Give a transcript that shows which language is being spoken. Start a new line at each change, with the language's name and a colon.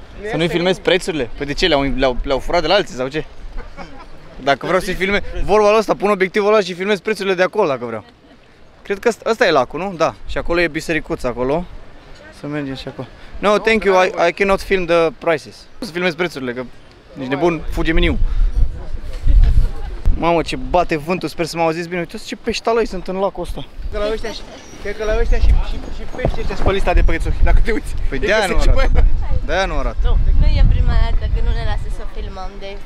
Romanian: Să nu-i filmez prețurile? Păi de ce? Le-au furat de la alții sau ce? Dacă vreau să-i filmez, vorba la asta, pun obiectivul ăla și filmez prețurile de acolo dacă vreau. Cred că ăsta e lacul, nu? Da. Și acolo e bisericuța, acolo. Să mergem și acolo.
English: No, thank you, I cannot film the prices.
Romanian: Să filmez prețurile, că nici nebun, fuge meniu. Mamă, ce bate vântul, sper să mă auziți bine. Uite-ți ce peștalăi sunt în lacul ăsta. Cred că la ăștia și pește ce-s pe lista de prețuri, dacă te uiți. Păi de-aia nu arată. De-aia nu arată. Nu e prima dată că nu ne lasă să filmăm, deci...